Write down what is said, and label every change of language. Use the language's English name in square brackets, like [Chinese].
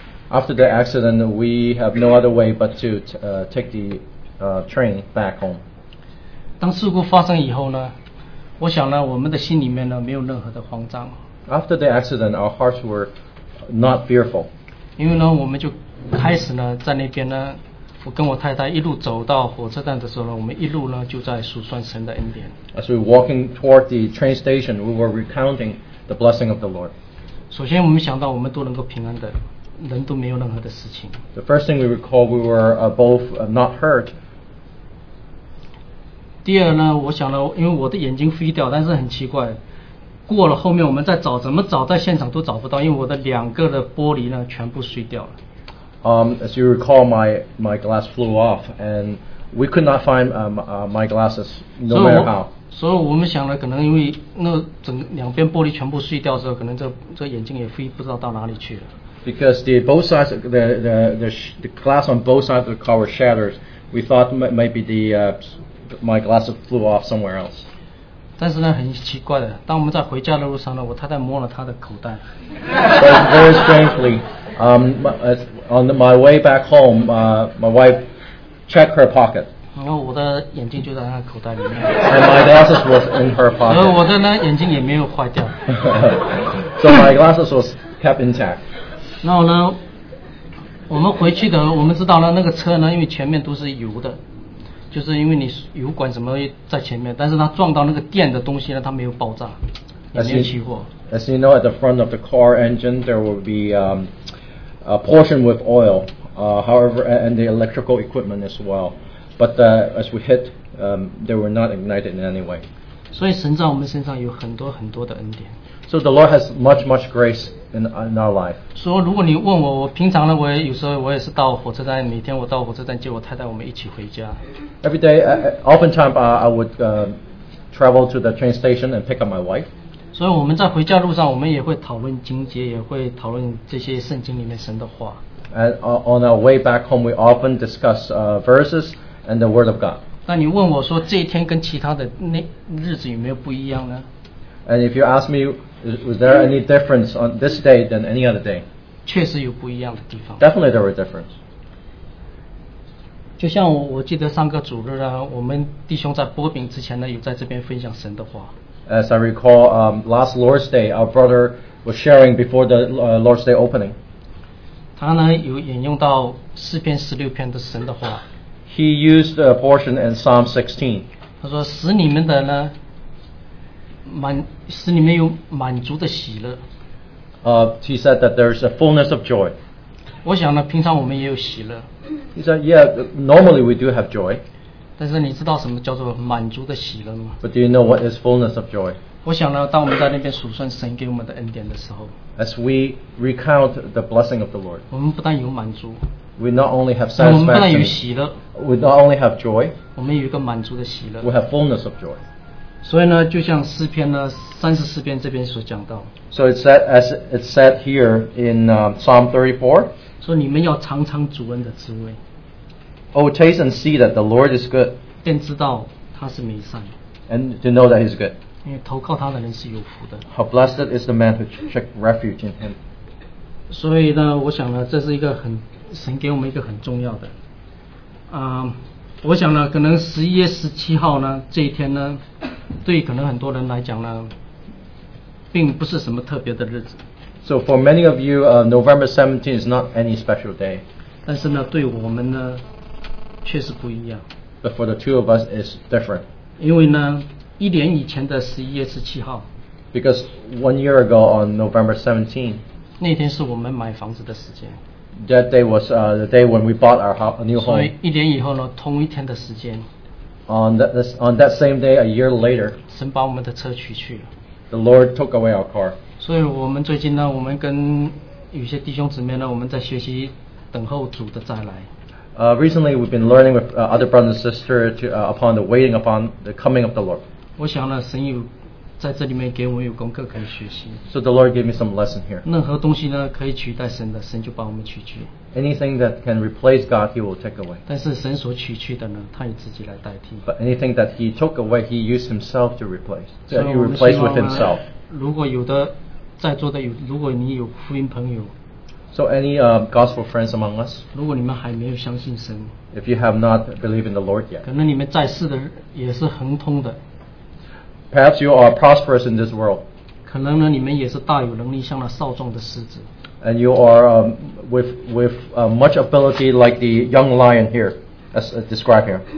[English] After the accident, we have no other way but to take the train back home. [Chinese] 当事故发生以后呢, 我想呢, 我们的心里面呢, 没有任何的慌张。 [English] After the accident, our hearts were not fearful. [Chinese] 因为呢, 我们就开始呢, 在那边呢, 我跟我太太一路走到火车站的时候呢, 我们一路呢, 就在数算神的恩典。 [English] As we were walking toward the train station, we were recounting the blessing of the Lord. [Chinese] 首先我们想到我们都能够平安的, 人都没有任何的事情。 [English] The first thing we recall, we were both not hurt. [Chinese] 第二呢, 我想呢, 因为我的眼睛飞掉, 但是很奇怪, 过了后面, 我们再找, 怎么找, 在现场都找不到, 因为我的两个的玻璃呢, 全部碎掉了。 [English] As you recall, my glass flew off, and we could not find my glasses, no matter how. [Chinese] 所以我们想呢, 可能因为那整两边玻璃全部碎掉的时候, 可能这眼睛也飞, 不知道到哪里去了。 [English] Because the glass on both sides of the car were shattered, we thought maybe my glasses flew off somewhere else. [Chinese] 但是呢, 很奇怪的, 当我们在回家的路上呢, 我太太摸了她的口袋。 [English] But very strangely, on my way back home, my wife checked her pocket. [Chinese] 然后我的眼睛就在她的口袋里面。 [English] And my glasses was in her pocket. [Chinese] 然后我的呢, 眼睛也没有坏掉。 [English] So my glasses was kept intact. [Chinese] 然后呢, 我们回去的, 我们知道呢, 那个车呢, 因为前面都是油的, 就是因为你油管什么在前面, 但是它撞到那个电的东西呢, 它没有爆炸, 也没有起火。 [English] As you know, at the front of the car engine, there will be a portion with oil, however, and the electrical equipment as well. But as we hit, they were not ignited in any way. [Chinese] 所以神在我们身上有很多很多的恩典。 [English] So the Lord has much, much grace in our life. [Chinese] 说如果你问我, 我平常呢, 我有时候我也是到火车站, 每天我到火车站接我太太, 我们一起回家。 [English] Every day, oftentimes I would travel to the train station and pick up my wife. [Chinese] 所以我们在回家路上, 我们也会讨论经节, 也会讨论这些圣经里面神的话。 [English] And on our way back home, we often discuss verses and the Word of God. [Chinese] 那你问我说, 这一天跟其他的日子有没有不一样呢? [English] And if you ask me, was there any difference on this day than any other day? [Chinese] 确实有不一样的地方。 [English] Definitely there were difference. [Chinese] 就像我记得上个主日呢, 我们弟兄在播饼之前呢, 有在这边分享神的话。 [English] As I recall, last Lord's Day, our brother was sharing before the Lord's Day opening. [Chinese] 他呢, 有引用到诗篇16篇的神的话。 [English] He used a portion in Psalm 16. [Chinese] 他说, 使你们的呢, 使你们有满足的喜乐。 [English] He said that there's a fullness of joy. [Chinese] 我想呢, 平常我们也有喜乐。 [English] He said, yeah, normally we do have joy. [Chinese] 但是你知道什么叫做满足的喜乐吗? [English] But do you know what is fullness of joy? [Chinese] 我想呢, 当我们在那边数算神给我们的恩典的时候, [English] as we recount the blessing of the Lord, [Chinese] 我们不但有满足, [English] we not only have satisfaction, [Chinese] 我们不但有喜乐, [English] we not only have joy, [Chinese] 我们有一个满足的喜乐, [English] we have fullness of joy. [Chinese] 所以呢, 就像诗篇呢, 34篇这边所讲到, [English] so it's said, as it's said here in Psalm 34, [Chinese] 说你们要尝尝主恩的滋味, [English] oh, taste and see that the Lord is good, [Chinese] 便知道他是美善, [English] and to know that he's good, [Chinese] 因为投靠他的人是有福的, [English] how blessed is the man who took refuge in him. [Chinese] 所以呢，我想呢，这是一个很神给我们一个很重要的。我想呢，可能11月17号呢这一天呢，对可能很多人来讲呢，并不是什么特别的日子。 [English] So for many of you, November 17 is not any special day. [Chinese] 但是呢，对我们呢，确实不一样。 [English] But for the two of us, it's different. [Chinese] 因为呢，一年以前的11月17号。 [English] Because 1 year ago on November 17. [Chinese] 那天是我们买房子的时间。 [English] That day was the day when we bought our new home. [Chinese] 所以一年以后呢，同一天的时间。 [English] On that same day, a year later. [Chinese] 神把我们的车取去了。 [English] The Lord took away our car. [Chinese] 所以我们最近呢，我们跟有些弟兄姊妹呢，我们在学习等候主的再来。 [English] Recently, we've been learning with other brothers and sisters upon the waiting upon the coming of the Lord. [Chinese] 我想呢，神有在这里面给我们有功课可以学习。 [English] So the Lord gave me some lesson here. [Chinese] 任何东西呢可以取代神的，神就把我们取去。 [English] Anything that can replace God, He will take away. [Chinese] 但是神所取去的呢，他以自己来代替。 [English] But anything that He took away, He used Himself to replace. He replaced with Himself. [Chinese] 如果有的在座的有，如果你有福音朋友。 [English] So any gospel friends among us? [Chinese] 如果你们还没有相信神。 [English] If you have not believed in the Lord yet. [Chinese] 可能你们在世的也是亨通的。 [English] Perhaps you are prosperous in this world. [Chinese] 可能呢，你们也是大有能力，像那少壮的狮子。 [English] And you are with much ability like the young lion here, as described here.